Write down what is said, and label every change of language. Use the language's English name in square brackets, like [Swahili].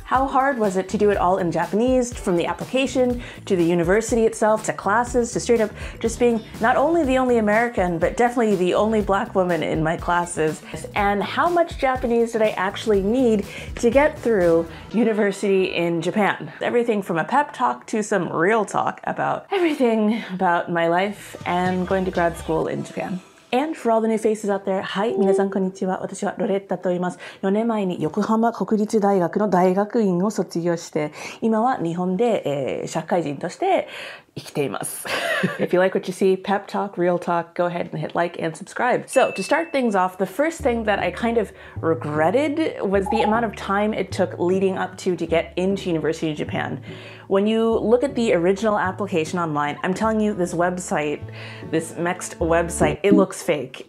[English] How hard was it to do it all in Japanese, from the application to the university itself, to classes, to straight up just being not only the only American, but definitely the only Black woman in my classes. And how much Japanese did I actually need to get through university in Japan? Everything from a pep talk to some real talk about everything about my life and going to grad school in Japan. And for all the new faces out there, hi, [Japanese] 皆さんこんにちは。私はロレッタと言います。4年前に横浜国立大学の大学院を卒業して、今は日本で、社会人として生きています。 [English] If you like what you see, pep talk, real talk, go ahead and hit like and subscribe. So, to start things off, the first thing that I kind of regretted was the amount of time it took leading up to get into university in Japan. When you look at the original application online, I'm telling you, this website, this MEXT website, it looks fake.